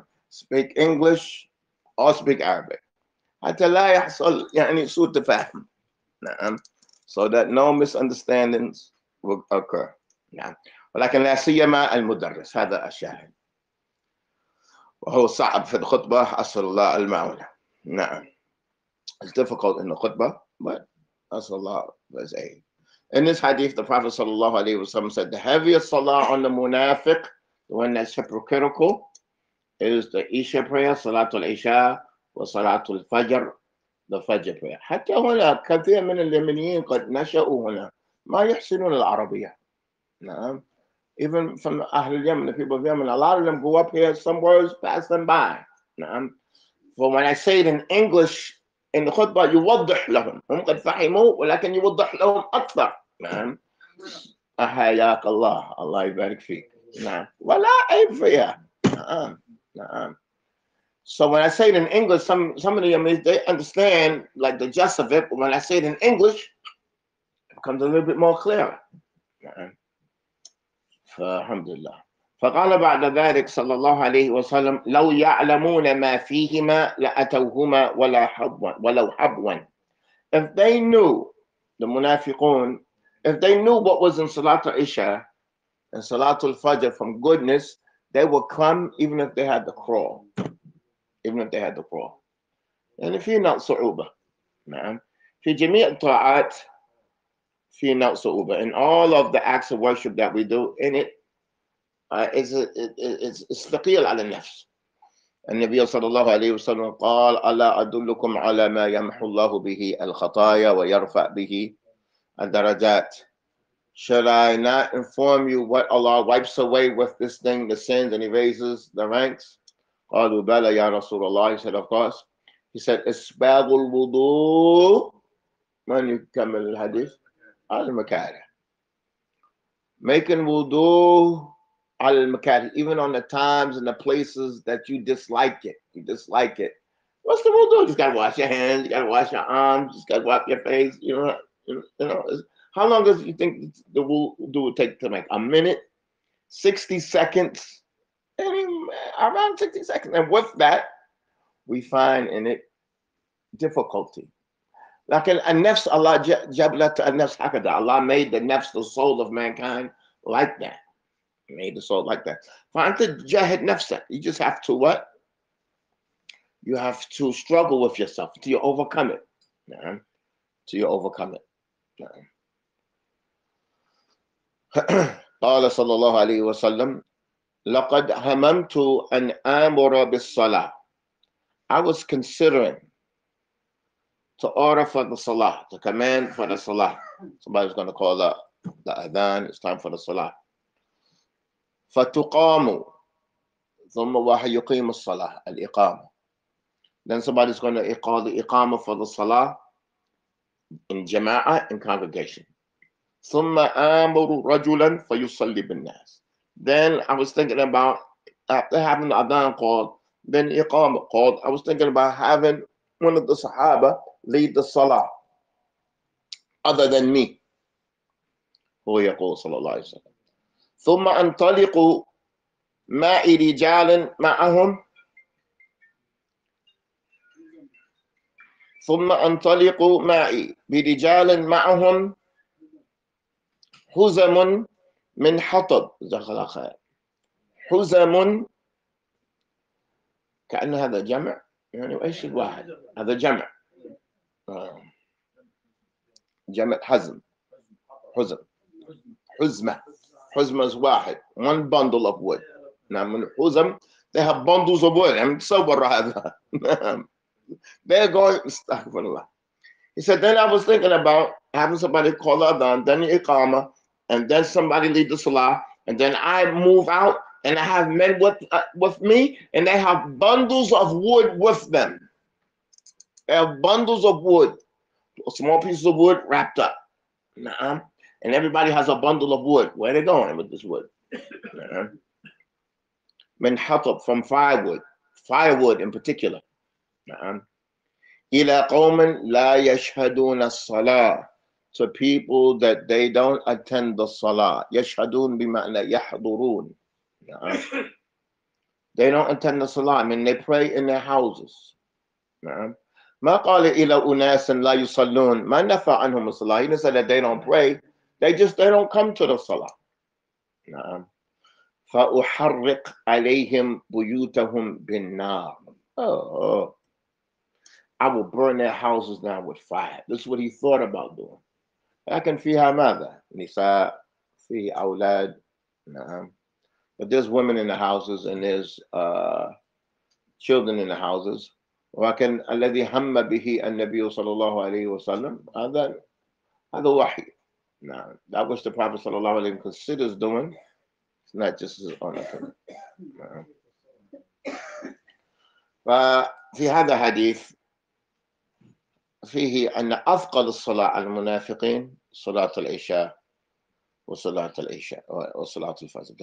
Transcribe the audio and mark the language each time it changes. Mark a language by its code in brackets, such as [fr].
[en] Speak English or speak Arabic. [ar] حتى لا يحصل يعني سوء تفاهم. [en] So that no misunderstandings will occur. [ar] ولكن لا سيما المدرس، هذا الشاهد، وهو صعب في الخطبة. أسأل الله المعونة. [en] نعم، it's difficult in the khutbah, but [ar] أسأل الله المعونة. [en] In this hadith, the Prophet صلى الله عليه وسلم said, the heaviest salah on the munafiq, the one that's hypocritical, is the Isha prayer, Salatul Isha, wa Salatul Fajr, the Fajr prayer. [ar] حتى هنا كثير من اليمنيين قد نشأوا هنا ما يحسنون العربية. نعم. [en] Even from [ar] أهل اليمن, [en] the people of Yemen, a lot of them grew up here, some words pass them by. [ar] نعم. [en] But when I say it in English, in the khutbah, [ar] يوضح لهم. هم قد فهموا ولكن يوضح لهم أكثر. نعم. أحياك الله. الله يبارك فيك. نعم. ولا عيب فيها. نعم. نعم. [en] So when I say it in English, some of the Yemenis, they understand like the gist of it. But when I say it in English, it becomes a little bit more clear. [ar] نعم. فالحمد لله. فقال بعد ذلك صلى الله عليه وسلم لو يعلمون ما فيهما لأتوهما ولا حبوا ولو حبوا. [en] If they knew, the منافقون, if they knew what was in Salat al-Isha and Salat al-Fajr from goodness, they would come even if they had the crawl. Even if they had the crawl. [ar] يعني في نوع صعوبة. نعم. في جميع الطاعات في نوع صعوبة. [en] In all of the acts of worship that we do, in it, it's [ar] ثقيل على النفس. النبي صلى الله عليه وسلم قال ألا أدلكم على ما يمحو الله به الخطايا ويرفع به الدرجات. [en] Should I not inform you what Allah wipes away with this thing, the sins, and erases the ranks? [ar] قالوا بلى يا رسول الله. [en] He said, of course. He said, [ar] إسباغ الوضوء من يكمل الحديث المكاره. [en] Making wudu al-makari, even on the times and the places that you dislike it. You dislike it. What's the wudu? You just gotta wash your hands, you gotta wash your arms, you just gotta wipe your face. You know. How long does you think the wudu would take to make? A minute? 60 seconds? Around 60 seconds. And with that, we find in it difficulty. [ar] لكن النفس الله جبلت النفس هكذا. [en] Allah made the nafs, the soul of mankind, like that. Made the soul like that. [ar] فأنت جاهد نفسك. [en] You just have to what? You have to struggle with yourself till you overcome it. Yeah. Till you overcome it. [ar] قال صلى الله عليه وسلم لقد هممت أن آمر بالصلاة. [en] I was considering to order for the salah, to command for the salah. Somebody's going to call the adhan. It's time for the salah. [ar] فَتُقَامُ ثُمَّ وَهَ يُقِيمُ الصَّلَاةِ الْإِقَامُ. [en] Then somebody's going to call the iqama for the salah in jama'ah, in congregation. [ar] ثُمَّ أَمُرُ رَجُلًا فَيُصَلِّ بِالنَّاسِ. [en] Then I was thinking about after having the adhan called, then iqama called, I was thinking about having one of the sahaba lead the salah other than me. [ar] هو يقول صلى الله عليه وسلم ثم انطلق مع رجال معهم ثم انطلق معي برجال معهم حزم من حطب. حزم كأن هذا جمع يعني وإيش الواحد هذا جمع جمع حزم حزم حزمة حزمة is واحد [en] one bundle of wood. [ar] نعم من حزم [en] they have bundles of wood. I'm so worried. They're going [ar] استغفر الله. [en] He said then I was thinking about having somebody call adhan, then iqama, and then somebody lead the salah, and then I move out and I have men with me and they have bundles of wood with them. They have bundles of wood, small pieces of wood wrapped up. Nah-uh. And everybody has a bundle of wood. Where are they going with this wood? [ar] من حطب, [en] from firewood. Firewood in particular. [ar] إلى قوم لا يشهدون الصلاة. [en] To people that they don't attend the salah. [ar] يشهدون بمعنى يحضرون. [en] They don't attend the salah. I mean, they pray in their houses. [ar] ما قال إلى أناس لا يصلون ما نفى عنهم الصلاة. [en] He said that they don't pray. They just don't come to the salah. [ar] نعم، فأحرق عليهم بيوتهم بالنار. [en] Oh. I will burn their houses down with fire. This is what he thought about doing. [ar] لكن فيها ماذا؟ نساء، في أولاد. نعم. [en] But there's women in the houses and there's children in the houses. [ar] ولكن الذي هم به النبي صلى الله عليه وسلم هذا وحي. نعم. [en] That was the Prophet صلى الله عليه وسلم considers doing. Not just his own [ar] في هذا الحديث فيه أن أثقل الصلاة على المنافقين صلاة العشاء وصلاة العشاء وصلاة الفجر.